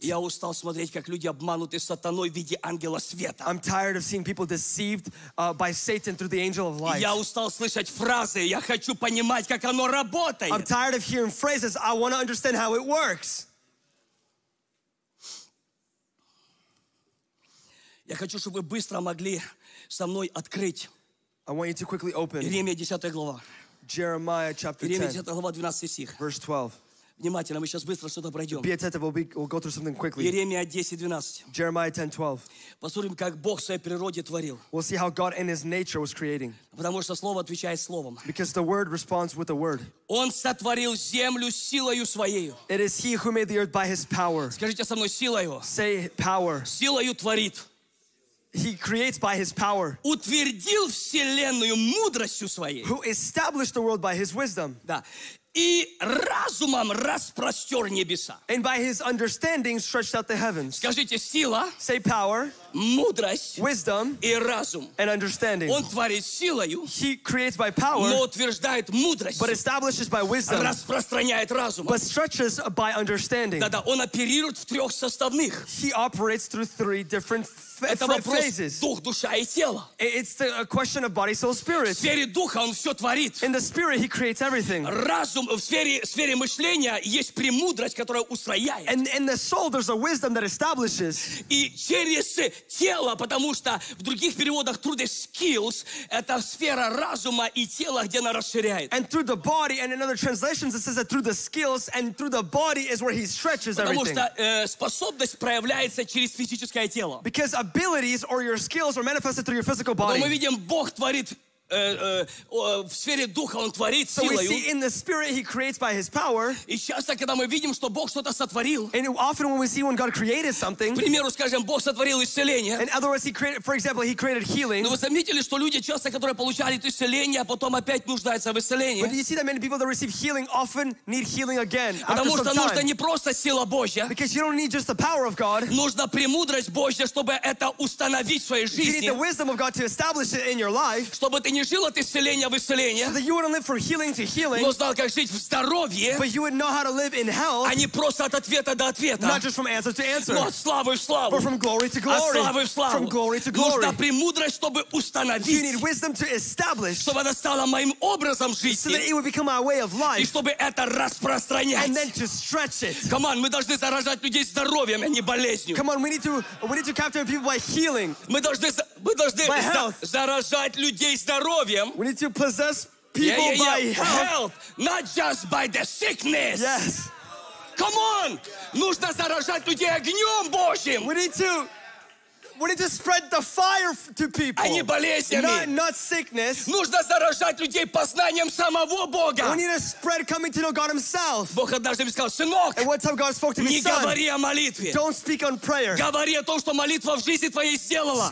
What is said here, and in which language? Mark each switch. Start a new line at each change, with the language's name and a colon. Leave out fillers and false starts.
Russian: Я устал смотреть, как люди обмануты сатаной в виде ангела света.
English: I'm tired of seeing people deceived by Satan through the angel of light.
Russian: Я устал слышать фразы. Я хочу понимать, как оно работает.
English: I'm tired of hearing phrases. I want to understand how it works.
Russian: Я хочу, чтобы вы быстро могли со мной открыть.
English: I want you to quickly open.
Russian: Иеремия 10 глава.
English: Jeremiah chapter 10.
Russian: Иеремия 10 глава 12 стих.
English: Verse 12.
Russian: Внимательно, мы сейчас быстро что-то пройдем.
English: Be attentive, we'll go through something quickly.
Russian: Иеремия 10:12.
English: Jeremiah 10:12.
Russian: Посмотрим, как Бог в своей природе творил.
English: We'll see how God in His nature was creating.
Russian: Потому что слово отвечает словом.
English: Because the word responds with the word.
Russian: Он сотворил землю силою своей.
English: It is He who made the earth by His power.
Russian: Скажите со мной силою.
English: Say power.
Russian: Силою творит.
English: He creates by His power.
Russian: Утвердил вселенную мудростью своей.
English: Who established the world by His wisdom.
Russian: Да. И разумом распростер небеса.
English: And by his understanding stretched out the heavens.
Russian: Скажите, сила.
English: Say power.
Russian: Мудрость.
English: Wisdom.
Russian: И разум.
English: And understanding.
Russian: Он творит силою.
English: He creates by power.
Russian: Но утверждает мудрость.
English: But establishes by wisdom.
Russian: Распространяет разум.
English: But stretches by understanding.
Russian: Да-да, он оперирует в трех составных.
English: He operates through three different phases.
Russian: Дух, душа и тело.
English: It's the question of body, soul, spirit.
Russian: В сфере духа он все творит.
English: In the spirit, he creates everything.
Russian: Разум, в сфере мышления есть премудрость, которая устрояет.
English: And in the soul, there's a wisdom that establishes.
Russian: И через тело, потому что в других переводах
English: through the skills,
Russian: это сфера разума и тела, где она расширяет.
English: And through the body, and in other translations, it says that through the skills, and through the body is where he stretches everything.
Russian: Потому что способность проявляется через физическое тело.
English: Because abilities or your skills are manifested through your physical body.
Russian: Мы видим, Бог творит в сфере духа, он творит
English: силою. So we see in the spirit he creates by his power.
Russian: И часто, когда мы видим, что Бог что-то сотворил.
English: And often when we see when God created something.
Russian: К примеру, скажем, Бог сотворил исцеление.
English: And otherwise he created, for example, he created healing.
Russian: Но вы заметили, что люди часто, которые получали это исцеление, а потом опять нуждаются в исцелении?
English: But you see that many people that receive healing often need healing again.
Russian: Потому что нужна не просто сила Божья.
English: Because you don't need just the power of God.
Russian: Нужна премудрость Божья, чтобы это установить в своей жизни.
English: You need the wisdom of God to establish it in your life.
Russian: Чтобы ты не жил от исцеления в исцеление.
English: So that you wouldn't live from healing to healing.
Russian: Но знал, как жить в здоровье.
English: But you would know how to live in health.
Russian: А не просто от ответа до ответа.
English: Not just from answer to answer.
Russian: Но от славы в славу.
English: But from glory to glory.
Russian: От славы в славу.
English: From glory to glory.
Russian: Нужна премудрость, чтобы установить.
English: You need wisdom to establish.
Russian: Чтобы она стала моим образом жизни.
English: So that it would become our way of life.
Russian: И чтобы это распространять.
English: And then to stretch it. Come on,
Russian: мы должны заражать людей здоровьем, а не болезнью.
English: Come on, we need to capture people by healing.
Russian: Мы должны заражать людей здоровьем.
English: We need to possess people by health, not just by the sickness. Yes. Come on. Yeah.
Russian: Нужно заражать людей огнем Божьим.
English: We need to spread the fire to people.
Russian: А не болезнями.
English: Not sickness.
Russian: Нужно заражать людей познанием самого Бога.
English: We need to spread coming to know God Himself.
Russian: Бог однажды мне сказал, сынок.
English: And one time God spoke to me,
Russian: не говори о молитве.
English: Don't speak on prayer.
Russian: Говори о том, что молитва в жизни твоей сделала.